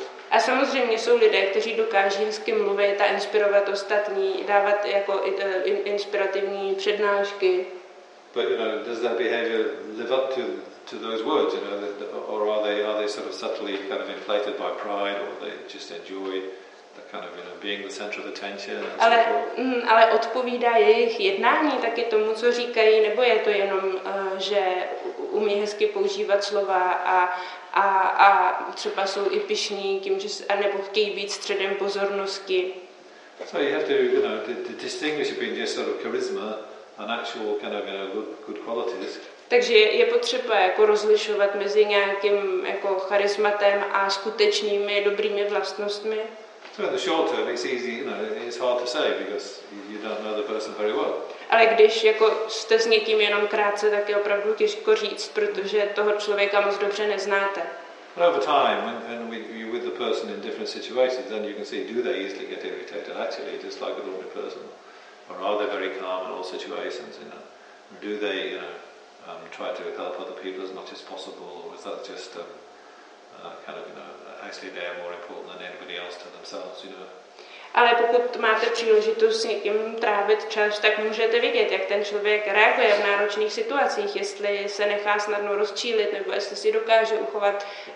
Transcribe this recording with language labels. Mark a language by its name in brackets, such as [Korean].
[Czech] A samozřejmě jsou lidé, kteří dokáží hezky mluvit a inspirovat ostatní, dávat jako inspirativní přednášky. [English] But you know, does that behavior live up to those words, you know, or are they sort of subtly kind of inflated by pride, or they just enjoy the kind of, you know, being the center of attention? [Czech] Ale odpovídá jejich jednání taky tomu, co říkají, nebo je to jenom, že umí hezky používat slova a třeba jsou i pyšní tím, že nebo chtějí být středem pozornosti. [English] So you have to, you know, to distinguish between just sort of charisma and actual kind of, you know, good qualities. [Czech] Takže je potřeba jako rozlišovat mezi nějakým jako charismatem a skutečnými dobrými vlastnostmi. [English] So in the short term, it's easy, you know, it's hard to say because you don't know the person very well. Ale když jako jste s někým jenom krátce, tak je opravdu těžko říct, protože toho člověka moc dobře neznáte. But over time, when you're with the person in different situations, then you can see, do they easily get irritated? Actually, just like a lonely person, or are they very calm in all situations? You know, do they, you know, try to help other people as much as possible, or is that just kind of, you know, actually they are more important than anybody else to themselves, you know? [Czech] Ale pokud máte příležitost s někým trávit čas, tak můžete vidět, jak ten člověk reaguje v náročných situacích, jestli se nechá snadno rozčílit, nebo jestli si dokáže uchovat